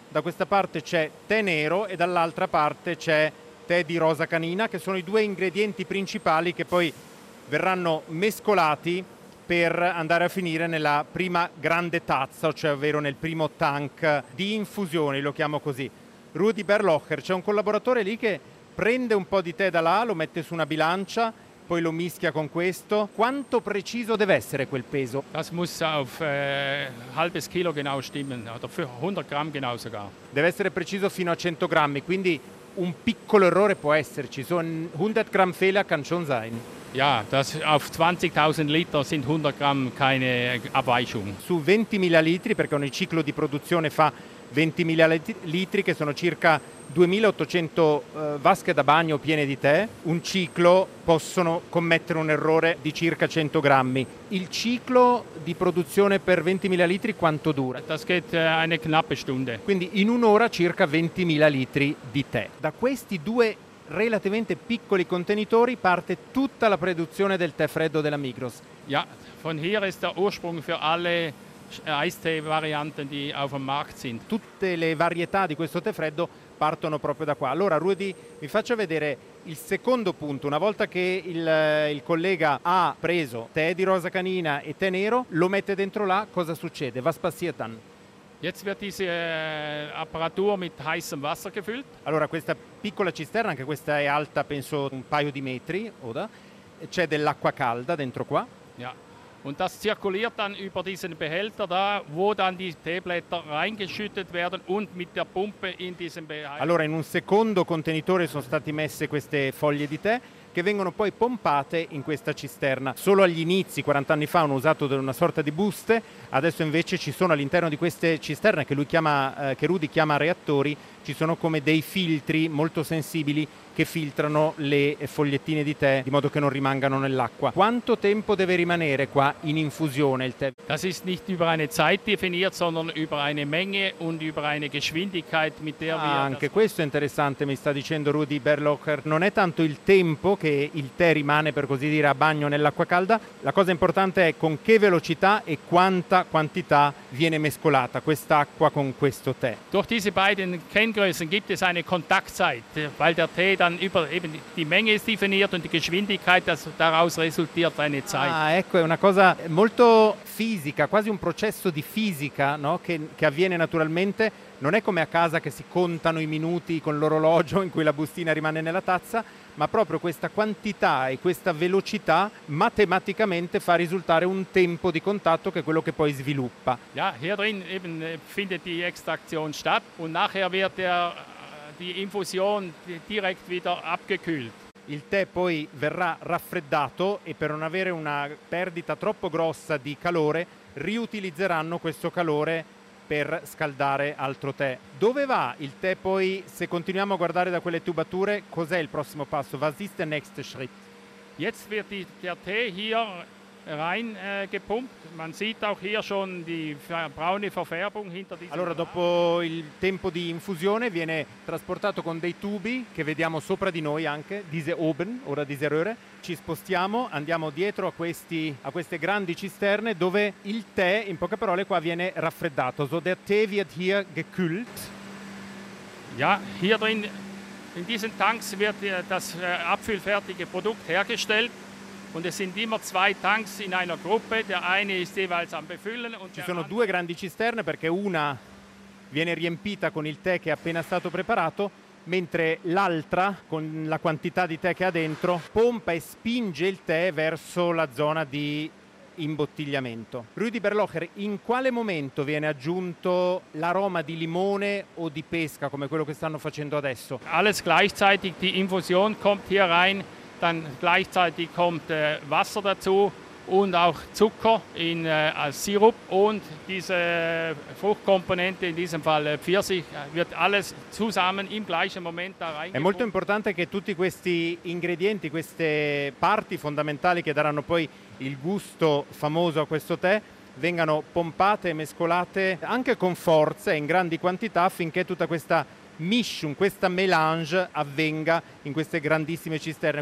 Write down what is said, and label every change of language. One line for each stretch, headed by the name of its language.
Italian: Da questa parte c'è tè nero e dall'altra parte c'è tè di rosa canina, che sono i due ingredienti principali che poi verranno mescolati per andare a finire nella prima grande tazza, cioè ovvero nel primo tank di infusione, lo chiamo così. Rudy Berlocher, c'è un collaboratore lì che prende un po' di tè da là, lo mette su una bilancia, poi lo mischia con questo. Quanto preciso deve essere quel peso?
German: Das muss auf halbes Kilo genau stimmen, oder für 100 Gramm genau sogar.
Italian: Deve essere preciso fino a 100 grammi, quindi un piccolo errore può esserci.
German: So ein 100 Gramm Fehler kann schon sein. Ja, das auf 20.000 Liter sind 100 Gramm keine Abweichung.
Italian: Su 20.000 litri, perché ogni ciclo di produzione fa 20.000 litri, che sono circa 2.800 vasche da bagno piene di tè, un ciclo possono commettere un errore di circa 100 grammi. Il ciclo di produzione per 20.000 litri quanto dura?
German: Das geht eine knappe Stunde.
Italian: Quindi in un'ora circa 20.000 litri di tè. Da questi due relativamente piccoli contenitori parte tutta la produzione del tè freddo della Migros.
German: Ja, von hier ist der Ursprung für alle Eistee-Varianten, die auf dem Markt sind.
Italian: Tutte le varietà di questo tè freddo partono proprio da qua. Allora, Rudy, mi faccia vedere il secondo punto. Una volta che il collega ha preso tè di rosa canina e tè nero, lo mette dentro là, cosa succede?
German: Was passiert dann? Jetzt wird diese Apparatur mit heißem Wasser gefüllt.
Italian: Allora, questa piccola cisterna, anche questa è alta, penso, un paio di metri, oder? C'è dell'acqua calda dentro qua.
German: Ja. Und das zirkuliert dann über diesen Behälter da, wo dann die Teeblätter reingeschüttet werden und mit der Pumpe in diesem Behälter.
Italian: Allora, in un secondo contenitore sono state messe queste foglie di tè, che vengono poi pompate in questa cisterna. Solo agli inizi, 40 anni fa, hanno usato una sorta di buste, adesso invece ci sono all'interno di queste cisterne, che lui chiama, che Rudy chiama reattori, ci sono come dei filtri molto sensibili che filtrano le fogliettine di tè, di modo che non rimangano nell'acqua. Quanto tempo deve rimanere qua in infusione il tè?
German: Das ist nicht über eine Zeit definiert, sondern über eine Menge und über eine Geschwindigkeit mit der wir...
Italian: Anche questo è interessante, mi sta dicendo Rudy Berlocher. Non è tanto il tempo che il tè rimane, per così dire, a bagno nell'acqua calda. La cosa importante è con che velocità e quanta quantità viene mescolata quest'acqua con questo tè.
German: Durch diese beiden Kenngrößen gibt es eine Kontaktzeit, weil der Tee dann über eben die Menge ist definiert und die Geschwindigkeit, dass daraus resultiert eine Zeit.
Italian: Ah, ecco, è una cosa molto fisica, quasi un processo di fisica, no? Che avviene naturalmente. Non è come a casa che si contano i minuti con l'orologio in cui la bustina rimane nella tazza, ma proprio questa quantità e questa velocità matematicamente fa risultare un tempo di contatto, che è quello che poi sviluppa.
German: Ja, hier drin eben findet die Extraktion statt und nachher wird die Infusion direkt wieder abgekühlt.
Italian: Il tè poi verrà raffreddato e, per non avere una perdita troppo grossa di calore, riutilizzeranno questo calore per scaldare altro tè. Dove va il tè poi, se continuiamo a guardare da quelle tubature, cos'è il prossimo passo?
German: Was ist der nächste Schritt? Jetzt wird der Tee hier rein gepumpt. Man sieht auch hier schon die braune Verfärbung hinter diesem. Allora, dopo il tempo di infusione viene trasportato con dei tubi che vediamo sopra di noi, anche diese oben, ora diese Röhre.
Italian: Ci spostiamo, andiamo dietro a queste grandi cisterne dove il tè, in poche parole, qua viene raffreddato.
German: So der Tee wird hier gekühlt. Ja, hier drin in diesen Tanks wird das abfüllfertige Produkt hergestellt. Und es sind immer zwei Tanks in einer Gruppe, der eine ist jeweils am befüllen.
Italian: Ci sono due grandi cisterne, perché una viene riempita con il tè che è appena stato preparato, mentre l'altra, con la quantità di tè che ha dentro, pompa e spinge il tè verso la zona di imbottigliamento. Rudy Berlocher, in quale momento viene aggiunto l'aroma di limone o di pesca, come quello che stanno facendo adesso?
German: Alles gleichzeitig, die Infusion kommt hier rein. Dann gleichzeitig kommt Wasser dazu und auch Zucker in Sirup und diese Fruchtkomponente, in diesem Fall Pfirsich, wird alles zusammen im gleichen Moment da rein.
Italian: È molto importante che tutti questi ingredienti, queste parti fondamentali che daranno poi il gusto famoso a questo tè, vengano pompate e mescolate anche con forza e in grandi quantità, affinché tutta questa mission, questa mélange avvenga in queste grandissime cisterne.